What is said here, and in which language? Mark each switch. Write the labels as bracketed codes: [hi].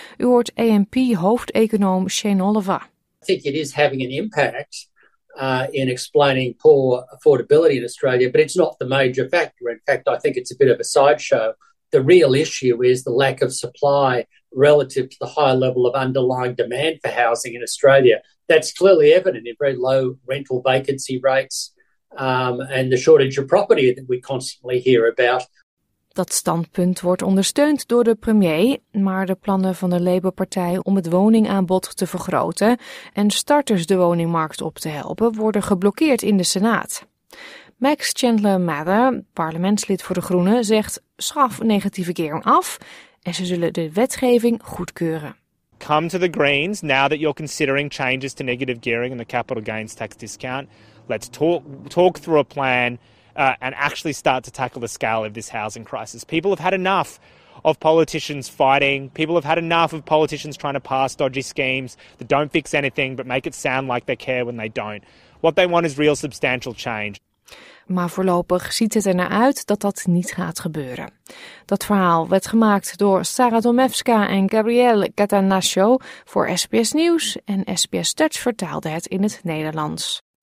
[nl] U hoort ANP-hoofdeconoom Shane Oliver. [en] I think it is having an impact in explaining poor affordability in Australia, but it's not the major factor. In fact, I think it's a bit of a sideshow. The real issue is the lack of supply relative to the high level of underlying demand for housing in Australia. That's clearly evident in very low rental vacancy rates. And the shortage of property that we constantly hear about. [nl] Dat standpunt wordt ondersteund door de premier, maar de plannen van de Labour-partij om het woningaanbod te vergroten en starters de woningmarkt op te helpen worden geblokkeerd in de Senaat. Max Chandler-Mather, parlementslid voor de Groenen, zegt: schaf negatieve gearing af en ze zullen de wetgeving goedkeuren. [en] Come to the Greens now that you're considering changes to negative gearing and the capital gains tax discount. Let's talk through a plan and actually start to tackle the scale of this housing crisis. People have had enough of politicians fighting. People have had enough of politicians trying to pass dodgy schemes that don't fix anything but make it sound like they care when they don't. What they want is real substantial change. [nl] Maar voorlopig ziet het er naar uit dat dat niet gaat gebeuren. Dat verhaal werd gemaakt door Sarah Domevska en Gabrielle Catanacho voor SBS Nieuws en SBS Dutch vertaalde het in het Nederlands.